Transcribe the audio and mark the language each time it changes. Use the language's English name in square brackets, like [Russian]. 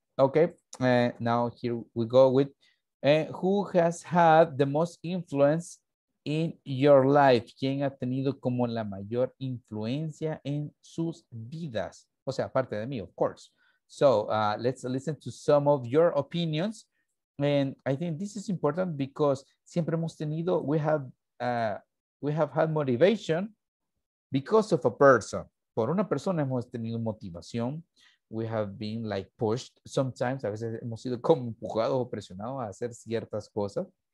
[English] Okay, now here we go with who has had the most influence in your life? [Spanish] ¿Quién ha tenido como la mayor influencia en sus vidas? O sea, aparte de mí, [English] of course. So let's listen to some of your opinions. And I think this is important because [Spanish] siempre hemos tenido, [English] we have had motivation because of a person. [Spanish] Por una persona hemos tenido motivación. [English] We have been like pushed sometimes. [Spanish] A veces hemos sido como empujados o presionados a hacer ciertas cosas.